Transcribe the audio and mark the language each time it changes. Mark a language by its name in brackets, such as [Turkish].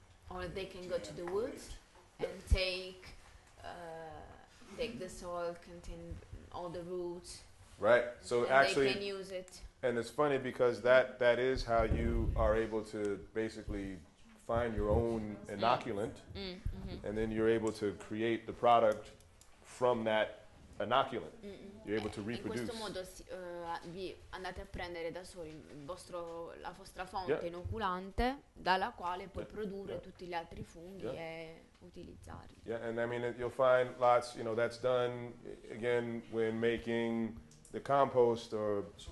[English] Or they can go to the woods and take the soil containing all the roots. Right. So and actually, they can use it. And it's funny because that is how you are able to basically find your own inoculant, and then you're able to create the product from that inoculant. Mm-hmm. You're able to reproduce. [Italian] In questo modo vi andate a prendere da soli la vostra fonte inoculante dalla quale puoi produrre tutti gli altri funghi e utilizzarli. [English] Yeah, and I mean you'll find lots, you know, that's done again when making the compost or